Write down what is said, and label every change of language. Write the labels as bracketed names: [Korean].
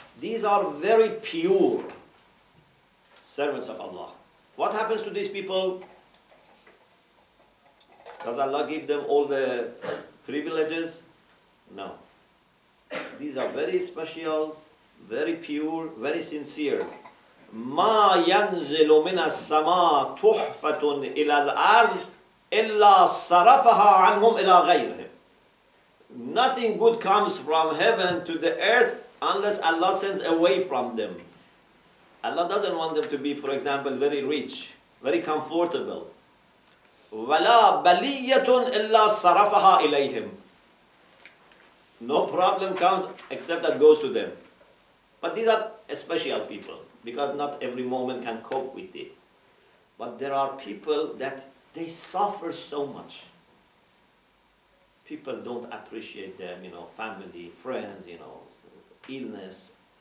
[English] These are very pure servants of Allah. What happens to these people? Does Allah give them all the privileges? No. These are very special, very pure, very sincere. [Arabic] ما ينزل من السماء تحفة إلى الأرض إلا صرفها عنهم إلى غيرهم. [English] Nothing good comes from heaven to the earth unless Allah sends away from them. Allah doesn't want them to be, for example, very rich, very comfortable. [Arabic] ولا بلية إلا صرفها إليهم. [English] No problem comes except that goes to them. But these are special people, because not every moment can cope with this. But there are people that they suffer so much. People don't appreciate them, you know, family, friends, you know, illness.